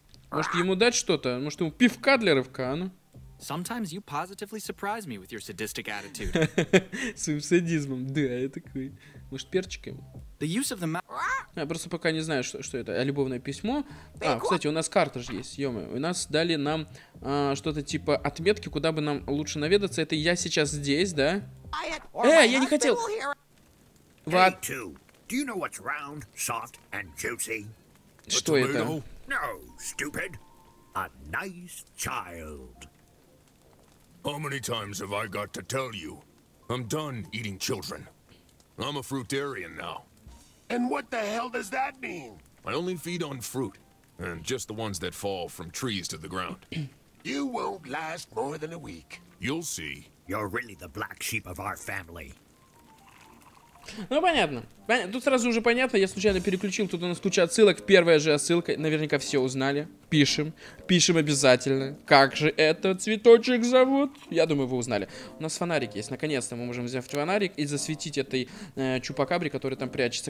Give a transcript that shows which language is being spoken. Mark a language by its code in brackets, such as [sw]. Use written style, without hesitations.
[ru] Может, ему дать что-то? Может, ему пивка для рывка, а ну? [en] Sometimes you positively surprise me with your sadistic attitude. [ru] Своим садизмом, да, я такой. Может, перчиком? [en] The use of the map. [ru] Я просто пока не знаю, что это. Любовное письмо. А, кстати, у нас карта же есть, ё-моё. У нас дали нам что-то типа отметки, куда бы нам лучше наведаться. Это я сейчас здесь, да? Я не хотел. What? [en] Do you know what's round, soft and juicy? [ru] Что это? [en] No, stupid. A nice child. How many times have I got to tell you? I'm done eating children. I'm a fruitarian now. And what the hell does that mean? I only feed on fruit, and just the ones that fall from trees to the ground. You won't last more than a week. You'll see. You're really the black sheep of our family. [ru] Ну, понятно. Тут сразу уже понятно, я случайно переключил, тут у нас куча отсылок, первая же отсылка, наверняка все узнали. Пишем обязательно. Как же этот цветочек зовут? Я думаю, вы узнали. У нас фонарик есть, наконец-то мы можем взять фонарик и засветить этой чупакабре, которая там прячется.